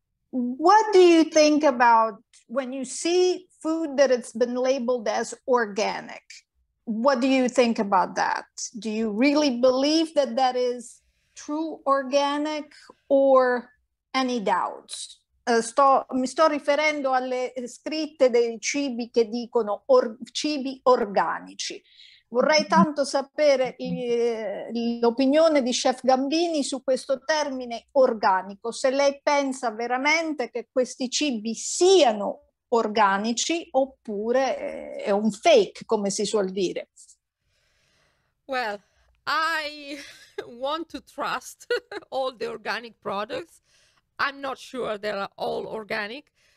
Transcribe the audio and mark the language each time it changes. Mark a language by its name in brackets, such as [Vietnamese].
[English] What do you think about when you see food that it's been labeled as organic? What do you think about that? Do you really believe that that is true organic, or any doubts? [Italian] Mi sto riferendo alle scritte dei cibi che dicono cibi organici. Vorrei tanto sapere l'opinione di Chef Gambini su questo termine organico, se lei pensa veramente che questi cibi siano organici oppure è un fake, come si suol dire. [English] Well, I want to trust all the organic products. I'm not sure they're all organic.